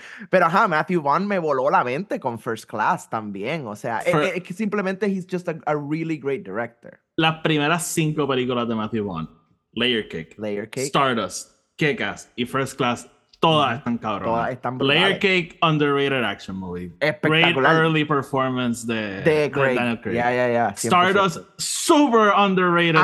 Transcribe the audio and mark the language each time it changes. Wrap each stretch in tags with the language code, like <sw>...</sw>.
<es>pero ajá, Matthew Vaughn me voló la mente con First Class también. O sea, simplemente</es> <en>he's just a really great director.</en> <es>Las primeras cinco películas de Matthew Vaughn, Layer Cake, Stardust, Kick-Ass y First Class, todas están cabronas. Todas están brutales.</es> <en>Layer Cake, underrated action movie.</en> <es>Espectacular.</es> <en>Great early performance</en> <es>de</es> <en>Daniel Craig. Yeah. 100%. Stardust, super underrated sci-fi.</en>